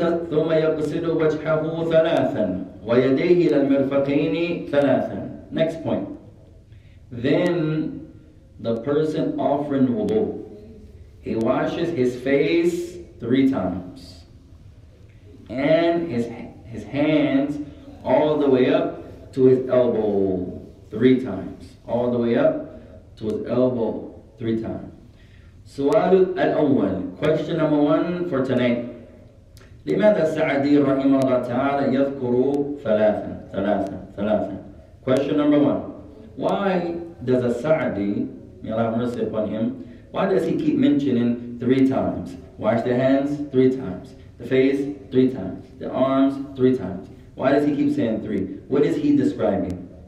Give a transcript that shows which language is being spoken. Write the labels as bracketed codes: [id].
[ar] ثم يغسل وجهه ثلاثا ويديه الى المرفقين ثلاثا. [en] Next point. Then the person offering wudu, he washes his face three times and his hands all the way up to his elbow three times. All the way up to his elbow three times. [ar] سؤال الأول. [en] Question number one for tonight. [ar] لماذا السعدي رحمه الله تعالى يذكر ثلاثة ثلاثة ثلاثة. [en] Question number one. Why does the Sa'di, may Allah have mercy upon him, Why does he keep mentioning three times? Wash the hands three times, the face three times, the arms three times. Why does he keep saying three? What is he describing?